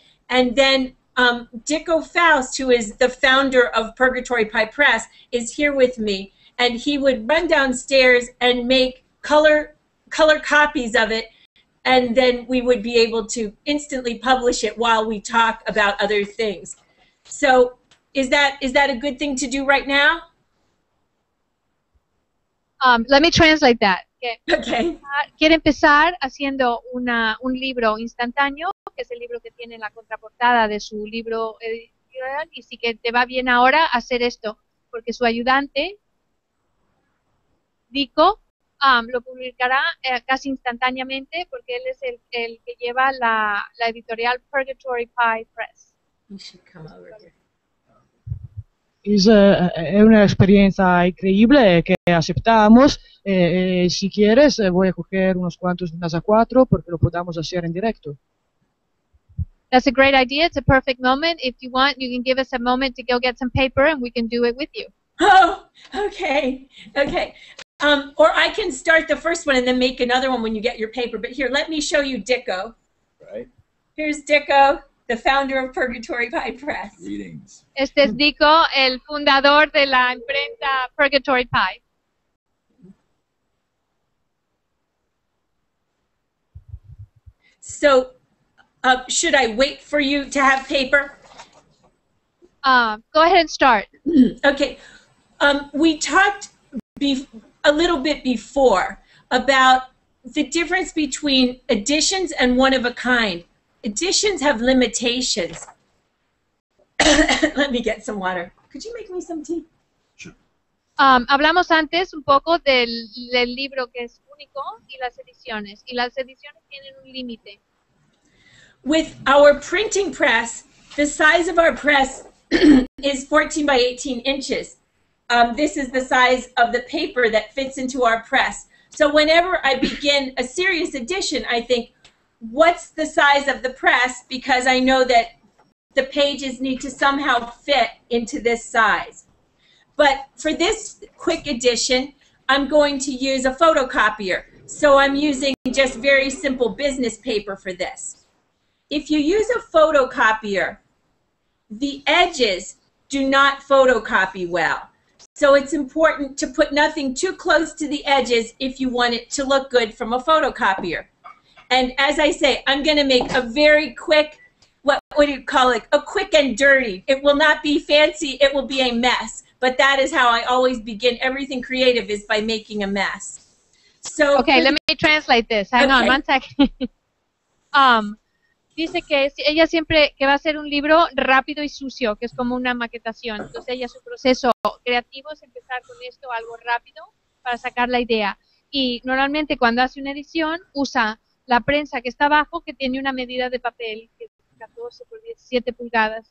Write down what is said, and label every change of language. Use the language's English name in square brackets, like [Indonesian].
[English] And then Dicko Faust, who is the founder of Purgatory Pie Press, is here with me, and he would run downstairs and make color copies of it, and then we would be able to instantly publish it while we talk about other things. So is that a good thing to do right now? Let me translate that. Okay. [Spanish] Quiere empezar haciendo un libro instantáneo, que es el libro que tiene la contraportada de su libro editorial, y sí que te va bien ahora hacer esto, porque su ayudante, Dico, lo publicará casi instantáneamente porque él es el que lleva la editorial Purgatory Pie Press. [English] You should come over here. [Spanish] Es una experiencia increíble que aceptamos. Si quieres, voy a coger unos cuantos de NASA 4 porque lo podamos hacer en directo. [English] That's a great idea. It's a perfect moment. If you want, you can give us a moment to go get some paper and we can do it with you. Oh, okay. Or I can start the first one and then make another one when you get your paper. But here, let me show you Dicko. Right. Here's Dicko, the founder of Purgatory Pie Press. Greetings. [Spanish] Este es Dicko, el fundador de la imprenta Purgatory Pie. [English] So, should I wait for you to have paper? Go ahead and start. Okay. We talked a little bit before about the difference between editions and one of a kind. Editions have limitations. Let me get some water. Could you make me some tea? Sure. [Spanish] Hablamos antes un poco del libro que es único y las ediciones. Y las ediciones tienen un límite. [English] With our printing press, the size of our press is 14 by 18 inches. This is the size of the paper that fits into our press. So whenever I begin a serious edition, I think, what's the size of the press? Because I know that the pages need to somehow fit into this size. But for this quick edition, I'm going to use a photocopier. So I'm using just very simple business paper for this. If you use a photocopier, the edges do not photocopy well. So it's important to put nothing too close to the edges if you want it to look good from a photocopier. And as I say, I'm going to make a very quick, what do you call it, a quick and dirty. It will not be fancy, it will be a mess. But that is how I always begin everything creative, is by making a mess. So okay, let me translate this. Hang on, one second. [Spanish] Dice que ella siempre, que va a ser un libro rápido y sucio, que es como una maquetación. Entonces ella, su proceso creativo es empezar con esto, algo rápido, para sacar la idea. Y normalmente cuando hace una edición, usa la prensa que está abajo, que tiene una medida de papel, que es 14 por 17 pulgadas.